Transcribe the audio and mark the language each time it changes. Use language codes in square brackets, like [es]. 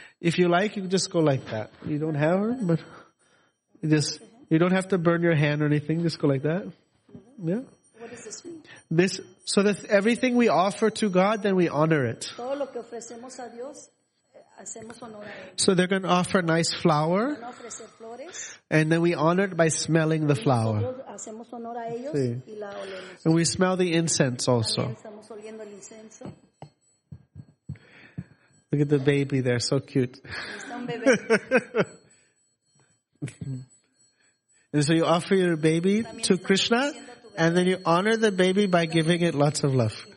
[en] If you like, you can just go like that. You don't have her, but you don't have to burn your hand or anything. Just go like that. Yeah. What does this mean? This, so that everything we offer to God, then we honor it. [es] Todo lo que ofrecemos a Dios, hacemos honor a él. [en] So they're going to offer nice flower. [es] Van a ofrecer flores. [en] And then we honor it by smelling the flower. [es] Hacemos honor a ellos, sí. Y la olemos. [en] And we smell the incense also. [es] También estamos oliendo el incenso. [en] Look at the baby there, so cute. And so you offer your baby to Krishna, and then you honor the baby by giving it lots of love.